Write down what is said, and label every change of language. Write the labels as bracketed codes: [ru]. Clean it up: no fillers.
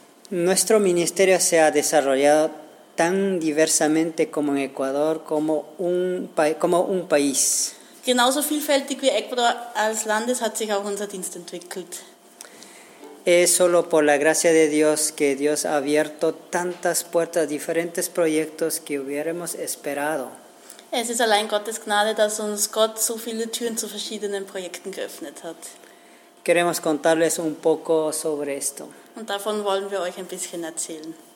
[es] Nuestro ministerio se ha desarrollado tan diversamente como en Ecuador, como un país. [de] Genauso vielfältig wie Ecuador als Landes hat sich auch unser Dienst entwickelt. [es] Es solo por la gracia de Dios que Dios ha abierto tantas puertas, diferentes proyectos que hubiéramos esperado. [de] Es ist allein Gottes Gnade, dass uns Gott so viele Türen zu verschiedenen Projekten geöffnet hat. [es] Queremos contarles un poco sobre esto. [de] Und davon wollen wir euch ein bisschen erzählen.